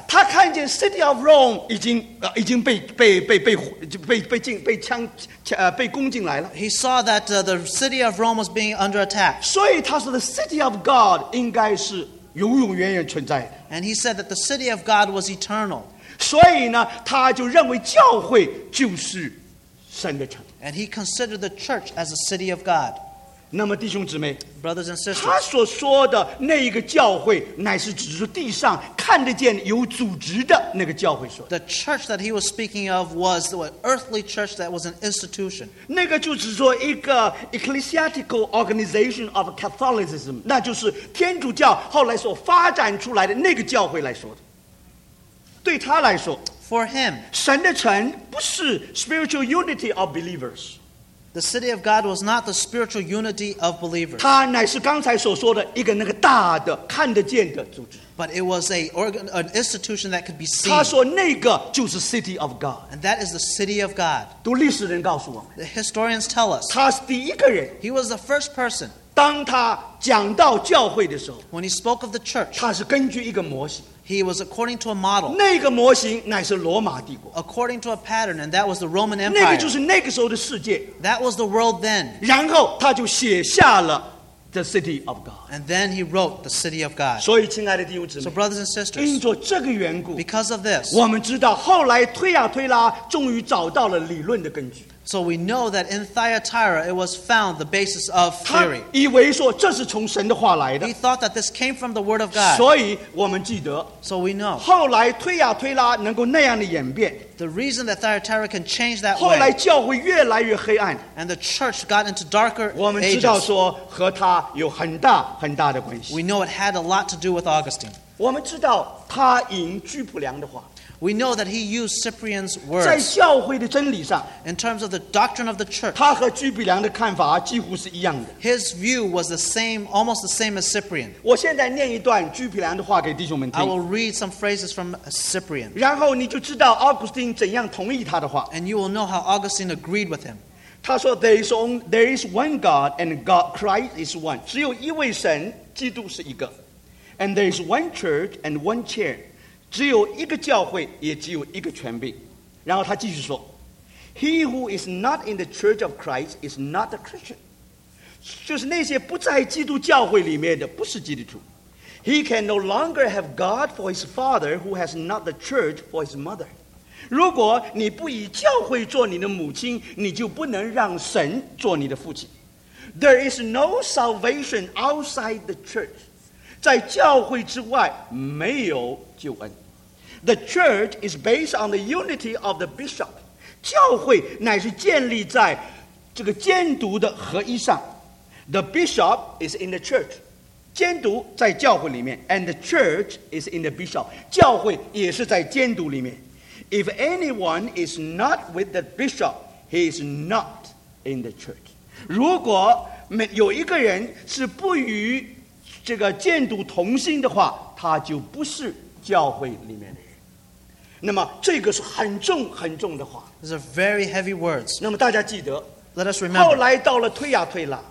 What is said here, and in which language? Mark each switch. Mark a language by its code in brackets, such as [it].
[zh] 他看见 City of Rome 已经被攻进来了。 [en] He saw that the City of Rome was being under attack. [zh] 所以他说 The City of God 应该是永永远远存在的。 [en] And he said that the City of God was eternal. [zh] 所以呢，他就认为教会就是神的城。 [en] And he considered the church as a city of God. [zh] 那么弟兄姊妹, [en] brothers and sisters, [zh] 他所说的那一个教会乃是指着地上看得见有组织的那个教会说的。 [en] The church that he was speaking of was the earthly church that was an institution. [zh] 那个就是说一个 [en] ecclesiastical organization of Catholicism, [zh] 那就是天主教后来所发展出来的那个教会来说的。对他来说, [en] For him, [zh] 神的城不是 [en] spiritual unity of believers. The city of God was not the spiritual unity of believers. [zh] 它乃是刚才所说的一个那个大的看得见的组织。 [en] But it was an institution that could be seen. [zh] 他说那个就是 city of God. [en] And that is the city of God. [zh] 读历史人告诉我们。 [en] The historians tell us. [zh] 他是第一个人。 [en] He was the first person. [zh] 当他讲到教会的时候。 [en] When he spoke of the church. [zh] 他是根据一个模型。 [en] He was according to a model. [zh] 那个模型乃是罗马帝国。 [en] According to a pattern, and that was the Roman Empire. [zh] 那个就是那个时候的世界。 [en] That was the world then. [zh] 然后他就写下了 the city of God. [en] And then he wrote the city of God. [zh] 所以亲爱的弟兄姊妹。 [en] So brothers and sisters. [zh] 因着这个缘故。 [en] Because of this. [zh] 我们知道后来推啊推拉终于找到了理论的根据。 [en] So we know that in Thyatira, it was found the basis of theory. [zh] 他以为说这是从神的话来的。 [en] He thought that this came from the word of God. [zh] 所以我们记得。 [en] So we know. [zh] 后来推呀推拉能够那样的演变。 [en] The reason that Thyatira can change that way. [zh] 后来教会越来越黑暗。 [en] And the church got into darker ages. [zh] 我们知道说和他有很大很大的关系。 [en] We know it had a lot to do with Augustine. [zh] 我们知道他引居普良的话。 [en] We know that he used Cyprian's words. [zh] 在教会的真理上, [en] in terms of the doctrine of the church, [zh] 他和居比良的看法几乎是一样的。 [en] His view was the same, almost the same as Cyprian. [zh] 我现在念一段居比良的话给弟兄们听。 [en] I will read some phrases from Cyprian. [zh] 然后你就知道 Augustine 怎样同意他的话。 [en] And you will know how Augustine agreed with him. [zh] 他说 [en] there is one God and God Christ is one. [zh] 只有一位神,基督是一个。 [en] And there is one church and one chair. [zh] 只有一个教会，也只有一个权柄。然后他继续说 [en] ：“He who is not in the Church of Christ is not a Christian。” [zh] 就是那些不在基督教会里面的，不是基督徒。 [en] He can no longer have God for his father who has not the Church for his mother。 [zh] 如果你不以教会做你的母亲，你就不能让神做你的父亲。 [en] There is no salvation outside the Church。 [zh] 在教会之外，没有。 [en] The church is based on the unity of the bishop. [zh] 教会乃是建立在这个监督的合一上。 [en] The bishop is in the church. [zh] 监督在教会里面。 [en] And the church is in the bishop. [zh] 教会也是在监督里面。 [en] If anyone is not with the bishop, he is not in the church. [zh] 如果有一个人是不与这个监督同心的话，他就不是教会里面的人。那么这个是很重很重的话。 [en] These are very heavy words. [zh] 那么大家记得。 [en] Let us remember. [zh] 后来到了推亚推拉。